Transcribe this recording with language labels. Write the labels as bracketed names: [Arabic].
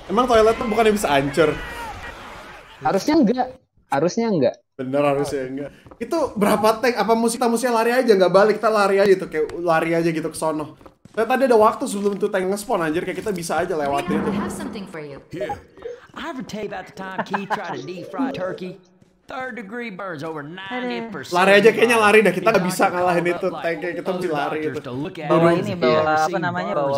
[Indonesian] Emang toilet tuh bukannya bisa hancur? Harusnya enggak. Bener, harusnya enggak. Itu berapa tank? Apa musuh-musuhnya lari aja? Enggak balik, kita lari aja itu. Kayak lari aja gitu ke sono. Tapi tadi ada waktu sebelum itu tank nge-spawn, anjir. Kayak kita bisa aja lewatin itu. [English] Here, I have something for you. Here. I have a tape about the time Keith tried to defry turkey. Third degree burns over 90%. [Indonesian] Lari aja kayaknya lari dah, kita enggak bisa ngalahin itu tanknya, kita mesti lari itu. Bawa ini bawa apa namanya?